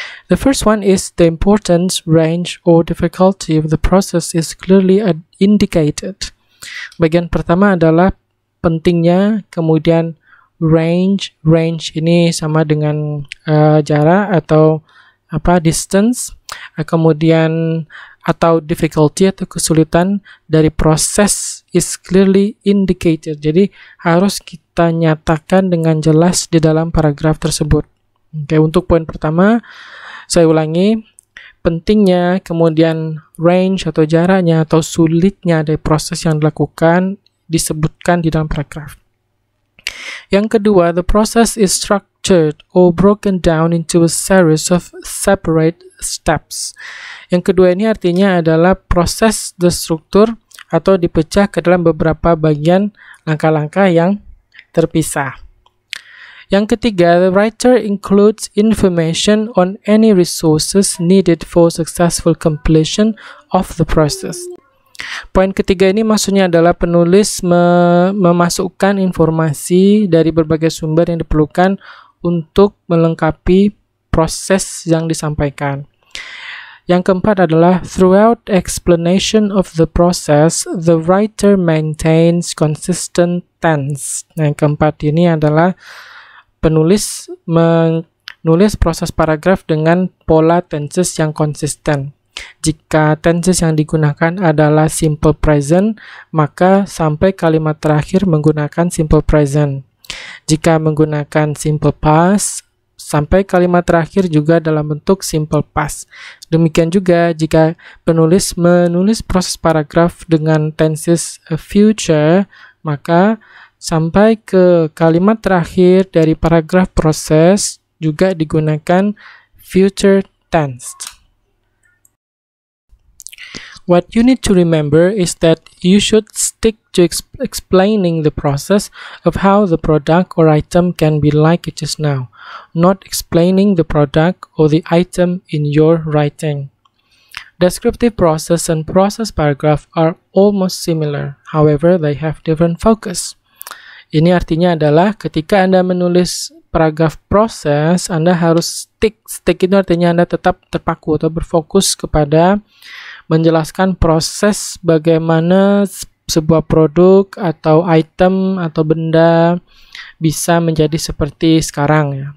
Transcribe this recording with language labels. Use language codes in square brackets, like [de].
[en] The first one is the importance, range, or difficulty of the process is clearly indicated. [id] Bagian pertama adalah pentingnya, kemudian range. Range ini sama dengan jarak atau apa distance. Kemudian atau difficulty atau kesulitan dari proses [en] is clearly indicated. [id] Jadi harus kita nyatakan dengan jelas di dalam paragraf tersebut. Oke, untuk poin pertama, saya ulangi, pentingnya, kemudian range atau jaraknya atau sulitnya dari proses yang dilakukan disebutkan di dalam paragraf. Yang kedua, [en] the process is structured or broken down into a series of separate steps. [id] Yang kedua ini artinya adalah proses terstruktur atau dipecah ke dalam beberapa bagian langkah-langkah yang terpisah. Yang ketiga, [en] the writer includes information on any resources needed for successful completion of the process. [id] Poin ketiga ini maksudnya adalah penulis memasukkan informasi dari berbagai sumber yang diperlukan untuk melengkapi proses yang disampaikan. Yang keempat adalah, [en] throughout explanation of the process, the writer maintains consistent tense. [id] Nah, yang keempat ini adalah penulis menulis proses paragraf dengan pola tenses yang konsisten. Jika tenses yang digunakan adalah simple present, maka sampai kalimat terakhir menggunakan simple present. Jika menggunakan simple past, sampai kalimat terakhir juga dalam bentuk simple past. Demikian juga jika penulis menulis proses paragraf dengan tenses future, maka sampai ke kalimat terakhir dari paragraf proses juga digunakan future tense. [en] What you need to remember is that you should stick to explaining the process of how the product or item can be like it is now, not explaining the product or the item in your writing. Descriptive process and process paragraph are almost similar, however, they have different focus. [id] Ini artinya adalah ketika Anda menulis paragraf proses, Anda harus stick. Stick itu artinya Anda tetap terpaku atau berfokus kepada menjelaskan proses bagaimana sebuah produk atau item atau benda bisa menjadi seperti sekarang, ya.